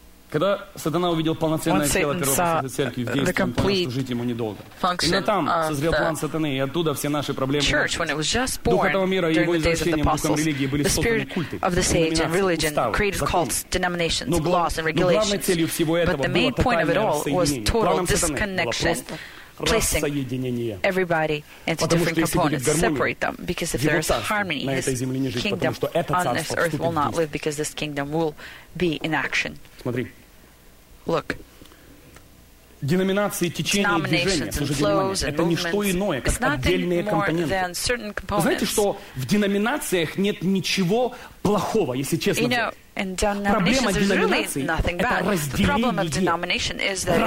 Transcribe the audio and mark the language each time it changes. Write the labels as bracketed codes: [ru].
[ru] Когда сатана увидел полноценное тело первого церкви в действии, он понял, что жить ему недолго. Именно там созрел план сатаны, и оттуда все наши проблемы. [en] Church, when it was just born, [ru] дух этого мира и его извращением, духом религии были созданы культы, [en] denominations, но laws and regulations. [ru] Но главной целью всего этого было тотальное рассоединение. [en] Placing everybody into different components, separate them, because if there is harmony, this kingdom on this earth will not live, because this kingdom will be in action. Look. [ru] Деноминации, течения, движения, слушайте внимание, это не что иное, как отдельные компоненты. Знаете, что в деноминациях нет ничего плохого, если честно говоря. Проблема деноминации – это разделение.